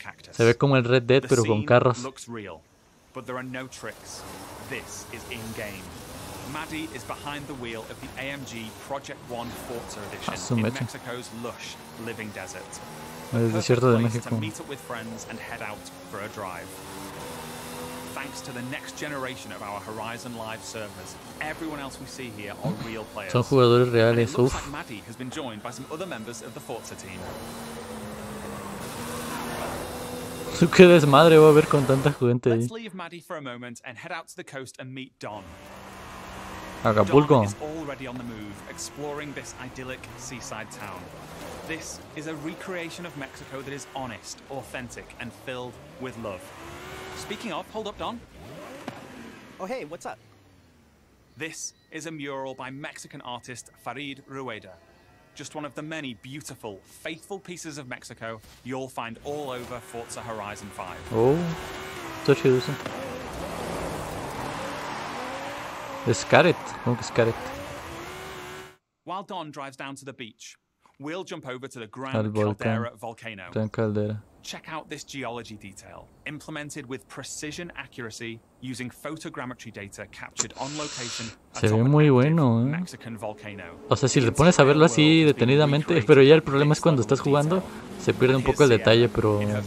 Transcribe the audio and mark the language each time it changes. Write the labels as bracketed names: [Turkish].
[Spanish] Se ve como el Red Dead, pero con carros. [English] But there are no tricks. This is in-game. Maddie is behind the wheel of the AMG Project One Forza Edition in Mexico's lush living desert. [Spanish] El desierto de México. [English] To meet up with friends and head out for a drive. Thanks to the next generation of our Horizon Live servers, everyone else we see here are real players. [Spanish] Son jugadores reales. [English] Looks like Maddie has been joined by some other members of the Forza team. [Spanish] ¿Qué desmadre va a haber con tanta gente ahí? [English] Let's leave Maddie for a moment and head out to the coast and meet Don. Acapulco. Don is already on the move, exploring this idyllic seaside town. This is a recreation of Mexico that is honest, authentic, and filled with love. Speaking of, hold up, Don. Oh, hey, what's up? This is a mural by Mexican artist Farid Rueda. Just one of the many beautiful, faithful pieces of Mexico you'll find all over Forza Horizon 5. Oh, touch it, listen. Scarlet. While Don drives down to the beach, we'll jump over to the Gran Caldera volcano. Gran Caldera. Check out this geology detail, implemented with precision accuracy using photogrammetry data captured on location. [Spanish] Se ve muy bueno, [English] Mexican volcano. [Spanish] O sea, si le pones a verlo así detenidamente, pero ya el problema es cuando estás jugando, se pierde un poco el detalle, pero